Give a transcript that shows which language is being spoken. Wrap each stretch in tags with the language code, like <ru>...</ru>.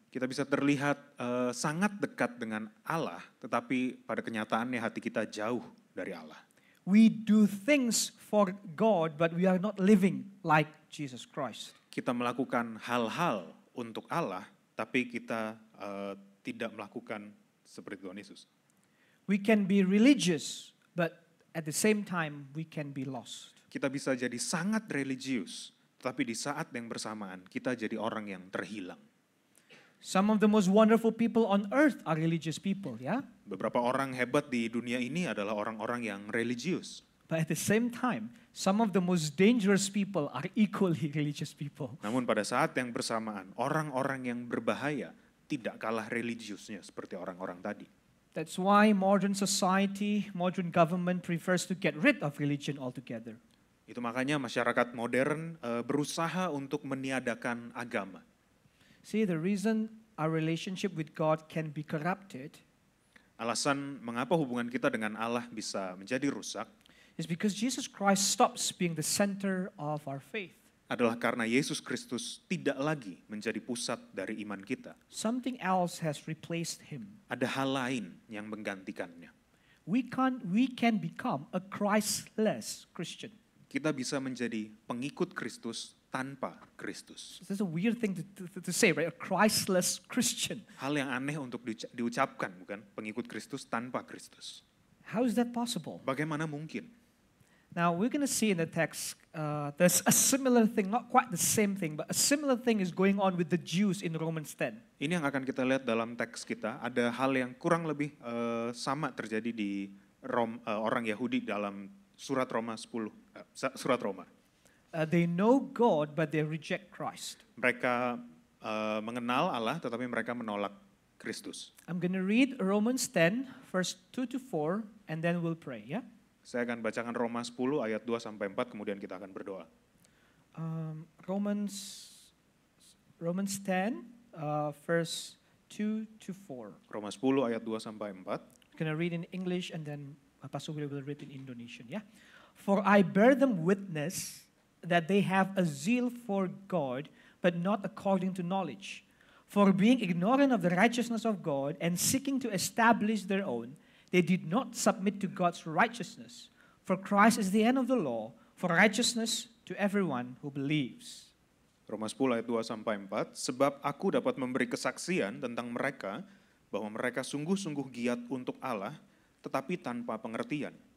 <id>Kita bisa terlihat sangat dekat dengan Allah, tetapi pada kenyataannya hati kita jauh dari Allah.</id> <en>We do things for God, but we are not living like Jesus Christ.</en> <id>Kita melakukan hal-hal untuk Allah, tapi kita tidak melakukan seperti Tuhan Yesus.</id> <en>We can be religious, but at the same time we can be lost.</en> <id>Kita bisa jadi sangat religius, tetapi di saat yang bersamaan kita jadi orang yang terhilang.</id> <en>Some of the most wonderful people on earth are religious people, ya? Yeah?</en> <id>Beberapa orang hebat di dunia ini adalah orang-orang yang religius.</id> <en>But at the same time, some of the most dangerous people are equally religious people.</en> <id>Namun pada saat yang bersamaan, orang-orang yang berbahaya tidak kalah religiusnya seperti orang-orang tadi.</id> <en>That's why modern society, modern government prefers to get rid of religion altogether.</en> <id>Itu makanya masyarakat modern berusaha untuk meniadakan agama.</id> <en>See, the reason our relationship with God can be corrupted.</en> <id>Alasan mengapa hubungan kita dengan Allah bisa menjadi rusak.</id> <en>Is because Jesus Christ stops being the center of our faith.</en> <id>Adalah karena Yesus Kristus tidak lagi menjadi pusat dari iman kita.</id> <en>Something else has replaced him.</en> <id>Ada hal lain yang menggantikannya.</id> <en>We can become a Christless Christian.</en> <id>Kita bisa menjadi pengikut Kristus tanpa Kristus.</id> <en>This is a weird thing to say, right? A Christless Christian.</en> <id>Hal yang aneh untuk diucapkan, bukan? Pengikut Kristus tanpa Kristus.</id> <en>How is that possible?</en> <id>Bagaimana mungkin?</id> <en>Now we're going to see in the text there's a similar thing, not quite the same thing, but a similar thing is going on with the Jews in Romans 10.</en> <id>Ini yang akan kita lihat dalam teks kita, ada hal yang kurang lebih sama terjadi di orang Yahudi dalam surat Roma 10, surat Roma.</id> <en>They know God but they reject Christ.</en> <id>Mereka mengenal Allah tetapi mereka menolak Kristus.</id> <en>I'm going to read Romans 10 verse 2 to 4 and then we'll pray, yeah?</en> <id>Saya akan bacakan Roma 10 ayat 2 sampai 4 kemudian kita akan berdoa.</id> <en>Romans 10 verse 2 to 4.</en> <id>Roma 10 ayat 2 sampai 4.</id> <en>I'm going to read in English and then Pastor Will read in Indonesian, yeah? For I bear them witness that they have a zeal for God but not according to knowledge. For being ignorant of the righteousness of God and seeking to establish their own, they did not submit to God's righteousness. For Christ is the end of the law, for righteousness to everyone who believes.</en> <id>Roma 10 ayat 2 sampai 4, sebab aku dapat memberi kesaksian tentang mereka, bahwa mereka sungguh-sungguh giat untuk Allah, tetapi tanpa pengertian.</id>